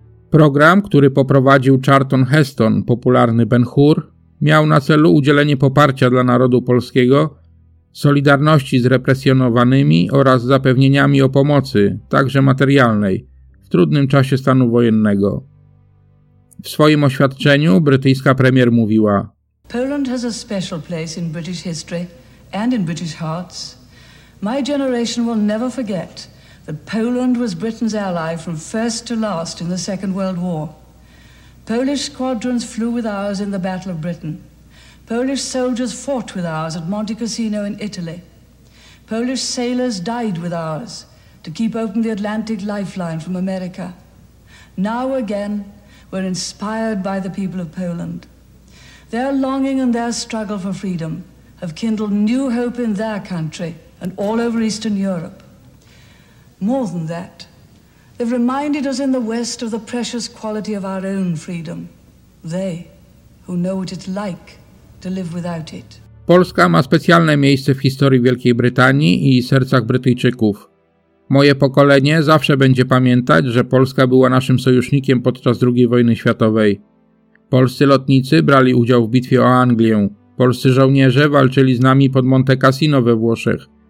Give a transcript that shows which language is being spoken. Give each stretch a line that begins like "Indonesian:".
Polish: Program, który poprowadził Charlton Heston, popularny Ben Hur, miał na celu udzielenie poparcia dla narodu polskiego, solidarności z represjonowanymi oraz zapewnieniami o pomocy, także materialnej, w trudnym czasie stanu wojennego. W swoim oświadczeniu brytyjska premier mówiła:
English: Poland has a special place in British history and in British hearts. My generation will never forget that Poland was Britain's ally from first to last in the Second World War. Polish squadrons flew with ours in the Battle of Britain. Polish soldiers fought with ours at Monte Cassino in Italy. Polish sailors died with ours to keep open the Atlantic lifeline from America. Now again, we're inspired by the people of Poland. Their longing and their struggle for freedom have kindled new hope in their country and all over Eastern Europe. More than that, they've reminded us in the West of the precious quality of our own freedom. They, who know what it's like to live without it.
Polish: Polska ma specjalne miejsce w historii Wielkiej Brytanii i sercach Brytyjczyków. Moje pokolenie zawsze będzie pamiętać, że Polska była naszym sojusznikiem podczas II wojny światowej. Polscy lotnicy brali udział w bitwie o Anglię. Polscy żołnierze walczyli z nami pod Monte Cassino we Włoszech.